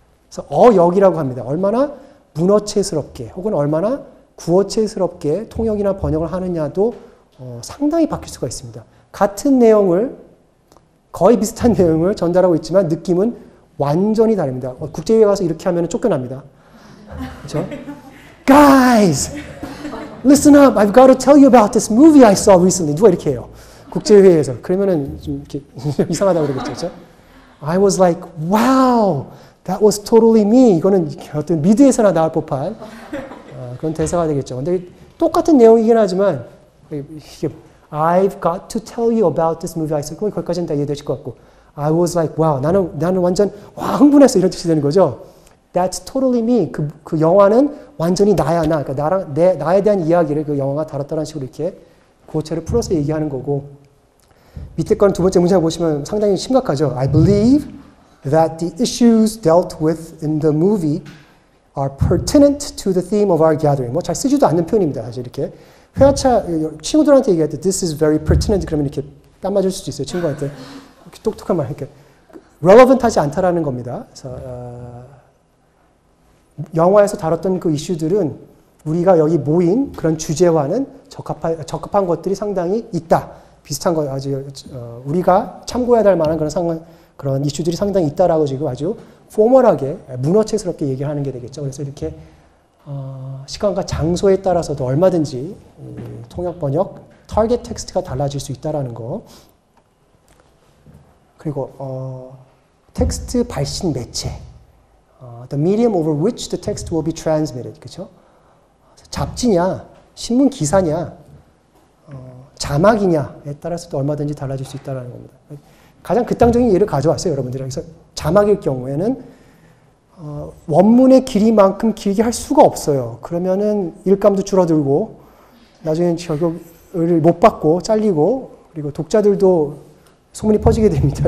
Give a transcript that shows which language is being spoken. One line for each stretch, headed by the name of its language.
Korean: 그래서 어역이라고 합니다. 얼마나 문어체스럽게 혹은 얼마나 구어체스럽게 통역이나 번역을 하느냐도 상당히 바뀔 수가 있습니다. 같은 내용을 거의 비슷한 내용을 전달하고 있지만 느낌은 완전히 다릅니다. 국제회의 가서 이렇게 하면 쫓겨납니다. 그렇죠?
English: Guys! Listen up! I've got to tell you about this movie I saw recently.
Korean: 누가 이렇게 해요? 국제회의에서 그러면은 좀 이렇게 이상하다고 그러겠죠. 그렇죠?
English: I was like, wow, that was totally me.
Korean: 이거는 어떤 미드에서나 나올 법한 그런 대사가 되겠죠. 근데 똑같은 내용이긴 하지만 이게
English: I've got to tell you about this movie. I said,
Korean: 그럼 거기까지는 다 이해되실 것 같고,
English: I was like, wow,
Korean: 나는 완전 와 흥분했어 이런 뜻이 되는 거죠.
English: That's totally me.
Korean: 그 영화는 완전히 나야 나. 그러니까 나에 대한 이야기를 그 영화가 다뤘다는 식으로 이렇게. 고체를 풀어서 얘기하는 거고 밑에 거는 두 번째 문장 보시면 상당히 심각하죠.
English: I believe that the issues dealt with in the movie are pertinent to the theme of our gathering.
Korean: 뭐 잘 쓰지도 않는 표현입니다. 사실 이렇게 회화차 친구들한테 얘기할 때
English: this is very pertinent
Korean: 그러면 이렇게 땀 맞을 수도 있어요. 친구한테 이렇게 똑똑한 말 이렇게 relevant하지 않다라는 겁니다. 그래서 영화에서 다뤘던 그 이슈들은 우리가 여기 모인 그런 주제와는 적합한 것들이 상당히 있다. 비슷한 거 아주 우리가 참고해야 할 만한 그런 그런 이슈들이 상당히 있다라고 지금 아주 포멀하게 문어체스럽게 얘기하는 게 되겠죠. 그래서 이렇게 시간과 장소에 따라서도 얼마든지 통역 번역 타겟 텍스트가 달라질 수 있다라는 거. 그리고 텍스트 발신 매체.
English: The medium over which the text will be transmitted.
Korean: 그렇죠? 잡지냐, 신문 기사냐, 자막이냐에 따라서도 얼마든지 달라질 수 있다는 겁니다. 가장 극단적인 예를 가져왔어요, 여러분들. 그래서 자막일 경우에는 원문의 길이만큼 길게 할 수가 없어요. 그러면은 일감도 줄어들고 나중에는 적용을 못 받고 잘리고 그리고 독자들도 소문이 퍼지게 됩니다.